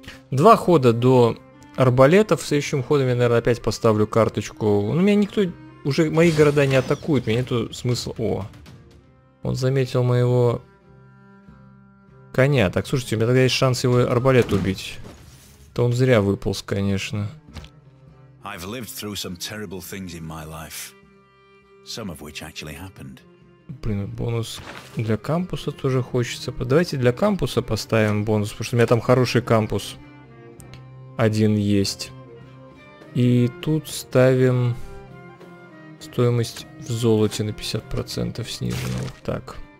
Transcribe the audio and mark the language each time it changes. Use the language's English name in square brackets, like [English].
[Russian] Два хода до арбалетов, следующим ходом я, наверное, опять поставлю карточку. Ну, меня никто, уже мои города не атакуют, мне нету смысла. О, он заметил моего коня. Так, слушайте, у меня тогда есть шанс его арбалет убить. То он зря выполз, конечно. [English] I've lived through some terrible things in my life. Some of which actually happened. [Russian] Блин, бонус для кампуса тоже хочется. Давайте для кампуса поставим бонус, потому что у меня там хороший кампус. Один есть. И тут ставим стоимость в золоте на 50% снижена. Вот так.